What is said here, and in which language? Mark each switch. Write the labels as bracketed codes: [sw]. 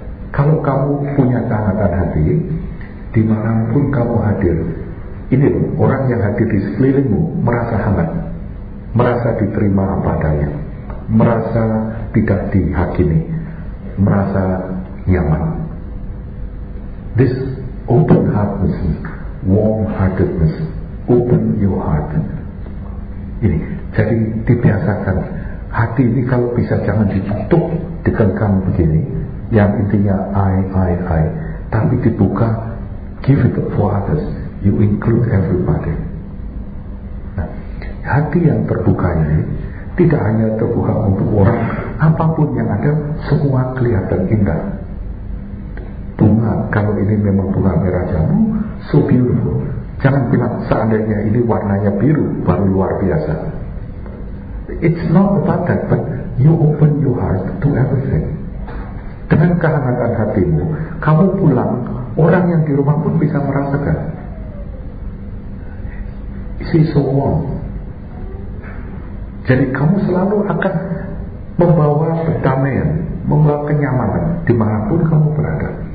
[id] Kalau kamu punya kehangatan hati, dimanapun kamu hadir, ini orang yang hadir di sekelilingmu merasa hangat, merasa diterima apa adanya, merasa tidak dihakimi, merasa nyaman. [en] This open heartness, warm heartedness, open your heart. [id] Ini jadi dibiasakan hati ini kalau bisa jangan ditutup, dikekang begini. Yang intinya [en] I, [id] tapi dibuka, [en] give it for others, you include everybody. [id] Nah, hati yang terbuka ini tidak hanya terbuka untuk orang, apapun yang ada, semua kelihatan indah. Bunga, kalau ini memang bunga merah jambu, [en] so beautiful. [id] Jangan bilang seandainya ini warnanya biru, baru luar biasa. [en] It's not about that, but you open your heart to everything. [id] Dengan kehangatan hatimu, kamu pulang, orang yang di rumah pun bisa merasakan. [en] She's so warm. [id] Jadi kamu selalu akan membawa perdamaian, membawa kenyamanan dimanapun kamu berada.